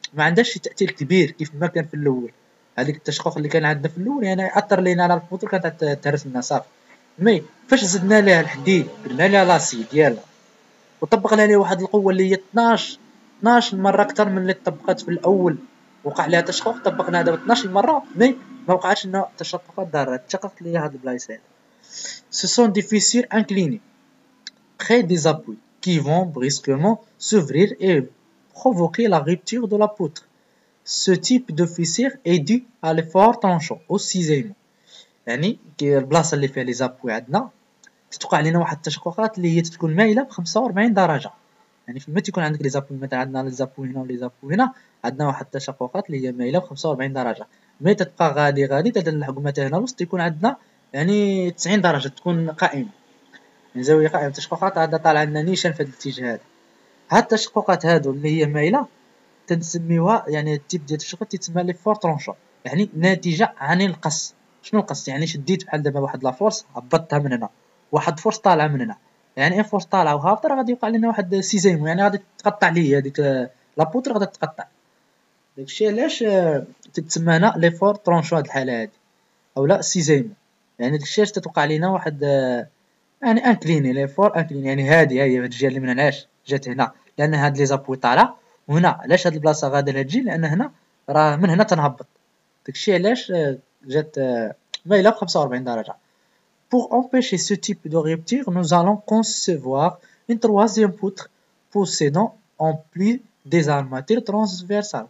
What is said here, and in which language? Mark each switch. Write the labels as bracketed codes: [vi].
[ar] ما عندهاش تأثير كبير كيف ما كان في الأول. هذيك التشقق اللي كان عندنا في الأول يعني أثر لينا على الفوتو، كانت تهرس لنا صافي. مي فاش زدنا لها الحديد درنا لها لاسي ديالها وطبقنا عليها واحد القوة اللي هي 12 مرة أكثر من اللي طبقت في الأول، وقع لها تشقق طبقنا هذا 12 مرة مي ما وقعش لنا تشققات ضارة، تشققت لي هاد البلايص هذا. [fr] Ce sont des fissures inclinées, près des appuis, qui vont brusquement s'ouvrir et provoquer la rupture de la poutre. Ce type de fissure est dû à l'effort tension, au ciseaux. [ar] يعني كي البلاصه اللي فيها لي زابوي عندنا تتوقع لنا واحد التشققات اللي هي تكون مائله ب 45 درجه. يعني فما تكون عندك لي زابوي، مثلا عندنا لي زابوي هنا ولي زابوي هنا، عندنا واحد التشققات اللي هي مائله ب 45 درجه، مي تبقى غادي غادي تلحقوا مثلا هنا الوسط يكون عندنا يعني 90 درجه تكون قائمه، يعني زاويه قائمه تشققات عندها طالع لنا نيشان في هذا الاتجاه. هذا التشققات هادو اللي هي مائله تنسميوها يعني التيب ديال التشققات تسمى لي فور ترونشو، يعني ناتجه عن القص. شنو القص؟ يعني شديت بحال دابا واحد لا فورس هبطتها من هنا، واحد فورس طالعه من هنا، يعني اي فورس طالعه وهابطه راه غادي يوقع لنا واحد سيزيمو، يعني غادي تقطع لي هذيك لا بوتر غادي تقطع. داكشي علاش تتسمى هنا لي فور ترونشو هاد الحاله هادي اولا سيزيمو، يعني داكشي اش تتوقع لينا واحد يعني انكليني لي فور انكليني، يعني هادي ها هي هاد الجهه اللي من هنا علاش جات هنا، لان هاد لي زابوي طالعه وهنا علاش هاد البلاصه غادي لها تجي، لان هنا راه من هنا تنهبط. داكشي علاش جات مايله ب 45 درجه. [fr] Pour empêcher ce type de rupture, nous allons concevoir une troisième poutre possédant en plus des armatures transversales.